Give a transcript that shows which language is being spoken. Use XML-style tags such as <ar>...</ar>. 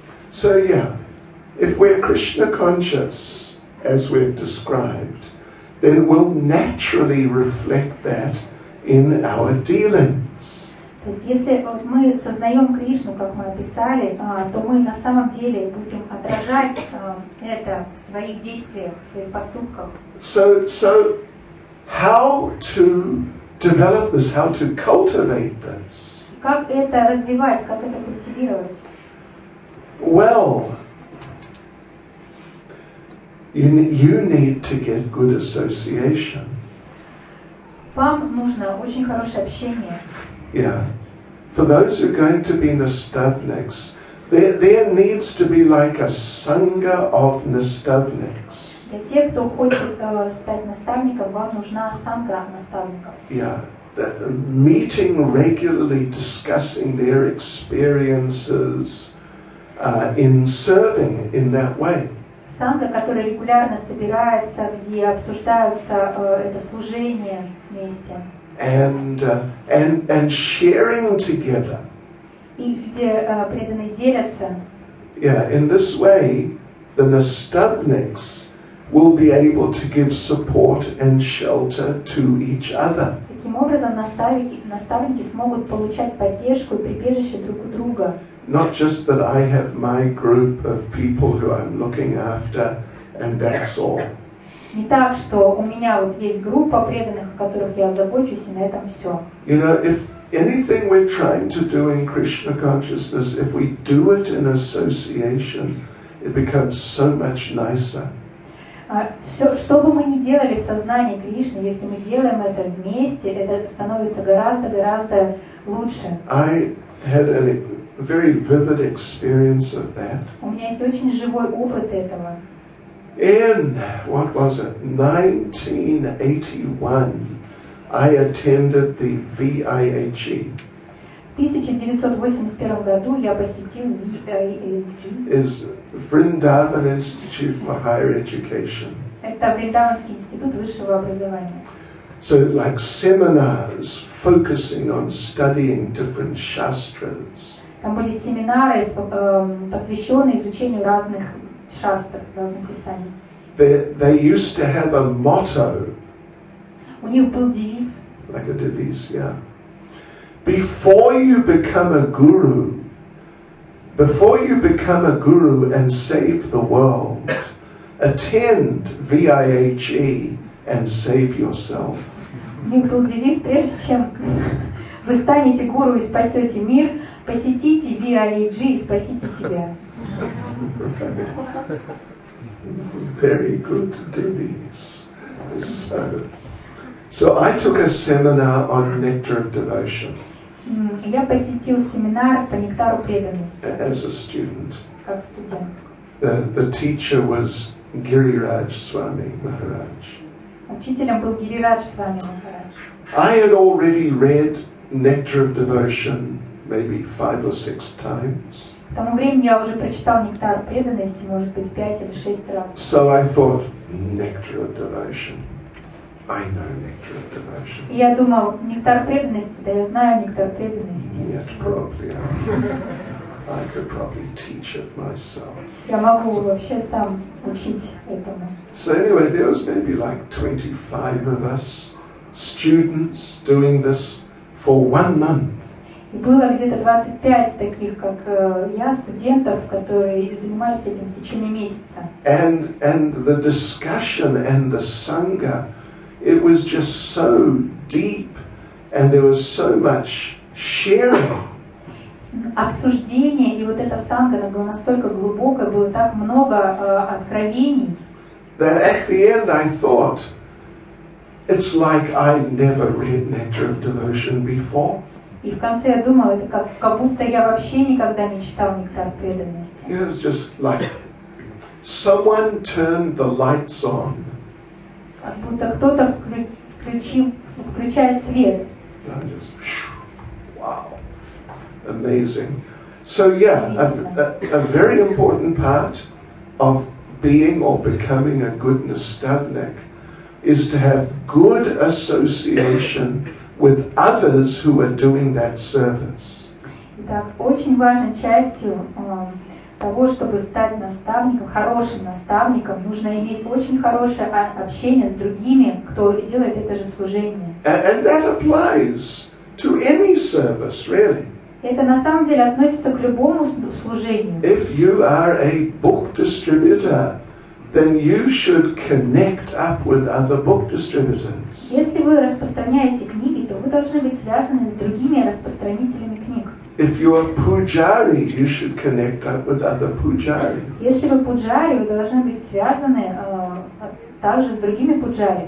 <en>So yeah, if we're Krishna conscious, as we've described, then we'll naturally reflect that in our dealings.</en> <ru>То есть если вот мы сознаем Кришну, как мы описали, то мы на самом деле будем отражать это в своих действиях, в своих поступках.</ru> <en>So how to develop this, how to cultivate this?</en> <ru>Как это развивать, как это культивировать?</ru> <en>Well, you need to get good association.</en> <ru>Вам нужно очень хорошее общение.</ru> <en>Yeah. For those who are going to be nastavniks, there needs to be like a sangha of nastavniks.</en> <ru>Для тех, кто хочет стать наставником, вам нужна сангха наставников.</ru> <en>Yeah. The meeting regularly, discussing their experiences in serving in that way.</en> <ru>Сангха, которая регулярно собирается, где обсуждаются это служение вместе.</ru> <en>And sharing together.</en> <ru>И где преданные делятся.</ru> <en>Yeah, in this way, the nastavniks will be able to give support and shelter to each other.</en> <ru>Таким образом, наставники смогут получать поддержку и прибежище друг у друга.</ru> <en>Not just that I have my group of people who I'm looking after, and that's all.</en> <ru>Не так, что у меня вот есть группа преданных, о которых я забочусь, и на этом все.</ru> <en>You know, if anything we're trying to do in Krishna consciousness, if we do it in association, it becomes so much nicer.</en> <ru>Все, что бы мы ни делали в сознании Кришны, если мы делаем это вместе, это становится гораздо лучше.</ru> <en>I had a very vivid experience of that.</en> <ru>У меня есть очень живой опыт этого.</ru> <en>In, what was it, 1981, I attended the VIHE.</en> <ru>В 1981 году я посетил VIHG.</ru> <en>Is Vrindavan Institute for Higher Education.</en> <ru>Это Вриндаванский институт высшего образования.</ru> <en>So like seminars focusing on studying different shastras.</en> <ru>Там были семинары, посвященные изучению разных шастр, разных писаний.</ru> <en>They used to have a motto.</en> <ru>У них был девиз.</ru> <en>Like a devise, yeah. Before you become a guru, and save the world, attend VIHE and save yourself.</en> <ru>Мне был девиз, прежде чем вы станете гуру и спасете мир, посетите VIHE и спасите себя.</ru> <en>Very good devise. So I took a seminar on nectar of devotion.</en> <ru>Я посетил семинар по нектару преданности.</ru> <en>As a student.</en> <ru>Как студент.</ru> <en>The teacher was Гирирадж Свами Махарадж.</en> <ru>Учителем был Гирирадж Свами Махарадж.</ru> <en>I had already read Nectar of Devotion maybe 5 or 6 times.</en> <ru>К тому времени я уже прочитал нектар преданности, может быть, 5 или 6 раз.</ru> <en>So I thought, Nectar of Devotion. I know Nectar of Devotion.</en> <ru>Я думал, нектар преданности, да я знаю нектар преданности.</ru> <en>Yet probably I could probably teach it myself.</en> <ru>Я могу вообще сам учить этому.</ru> <en>So anyway, there was maybe like 25 of us students doing this for 1 month.</en> <ru>И было где-то 25 таких, как я, студентов, которые занимались этим в течение месяца.</ru> <en>And the discussion and the sangha, it was just so deep, and there was so much sharing.</en> <ru>Обсуждение и вот эта санга, она была настолько глубокая, было так много откровений.</ru> <en>That at the end I thought, it's like I've never read Nectar of Devotion before.</en> <ru>И в конце я думал, это как будто я вообще никогда не читал Нектар преданности.</ru> <en>It was just like someone turned the lights on.</en> <ru>Как будто кто-то включает свет.</ru> <en>Wow, amazing. So yeah, a very important part of being or becoming a good nastavnik is to have good association with others who are doing that service.</en> <ru>Итак, очень важной частью того, чтобы стать наставником, хорошим наставником, нужно иметь очень хорошее общение с другими, кто делает это же служение.</ru> <en>And that applies to any service, really.</en> <ru>Это на самом деле относится к любому служению.</ru> <en>If you are a book distributor, then you should connect up with other book distributors.</en> <ru>Если вы распространяете книги, то вы должны быть связаны с другими распространителями книг.</ru> <en>If you are pujari, you should connect up with other pujari.</en> <ru>Если вы пуджари, вы должны быть связаны также с другими пуджари.</ru>